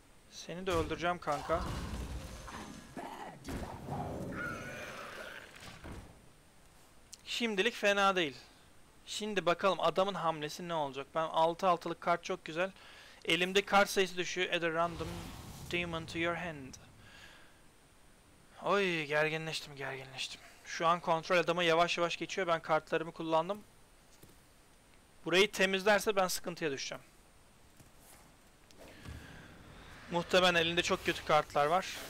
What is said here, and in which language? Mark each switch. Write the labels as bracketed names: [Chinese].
[Turkish] Seni de öldüreceğim kanka. Şimdilik fena değil. Şimdi bakalım adamın hamlesi ne olacak? Ben 6-6'lık kart çok güzel. Elimde kart sayısı düşüyor. [English] Add a random demon to your hand. [Turkish] Oy, gerginleştim. Şu an kontrol adama yavaş yavaş geçiyor. Ben kartlarımı kullandım. Burayı temizlerse ben sıkıntıya düşeceğim. Muhtemelen elinde çok kötü kartlar var.